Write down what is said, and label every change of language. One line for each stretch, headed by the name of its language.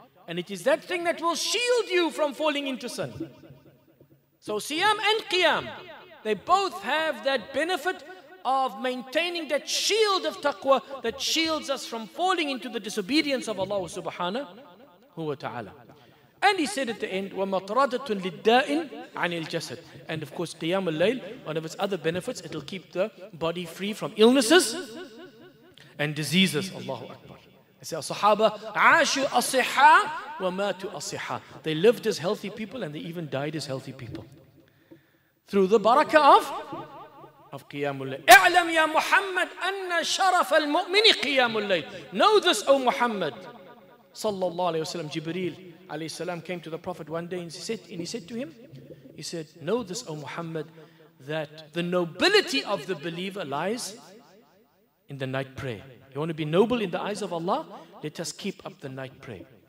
English: And it is that thing that will shield you from falling into sin. So Siyam and Qiyam, they both have that benefit of maintaining that shield of taqwa that shields us from falling into the disobedience of Allah subhanahu wa ta'ala. And he said at the end,
Arabic: وَمَطْرَدَةٌ لِلدَّاءٍ عَنِ الْجَسَدِ.
English: And of course, Qiyam al-Layl, one of its other benefits, it'll keep the body free from illnesses and diseases. Allahu Akbar. I say, Sahaba,
Arabic: عَاشُوا أَصِحَّا وَمَاتُوا أَصِحَّا.
English: They lived as healthy people and they even died as healthy people. Through the barakah of Qiyam al-Layl.
Arabic: اعلم يا محمد أن شرف المؤمن قيام الليل.
English: Know this, O Muhammad. Sallallahu alayhi wa sallam, Jibreel alayhi salam came to the Prophet one day and he said to him, know this, O Muhammad, that the nobility of the believer lies in the night prayer. You want to be noble in the eyes of Allah? Let us keep up the night prayer.